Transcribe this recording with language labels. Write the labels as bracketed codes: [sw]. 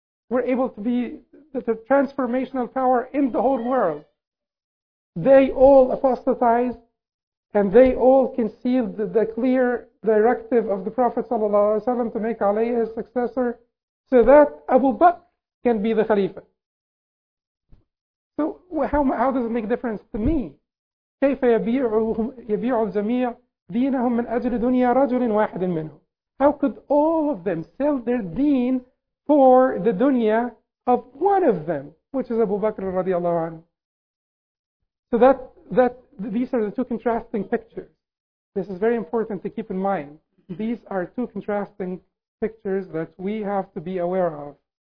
[en] were able to be the transformational power in the whole world, they all apostatized and they all concealed the clear directive of the Prophet ﷺ to make Ali his successor, so that Abu Bakr can be the Khalifa. So how does it make a difference to me? [ar] كيف يبيع الجميع دينهم من أجل دنيا رجل واحد منهم. [en] How could all of them sell their deen for the dunya of one of them, which is Abu Bakr radiallahu anhu? So that these are the two contrasting pictures. This is very important to keep in mind. These are two contrasting pictures that we have to be aware of.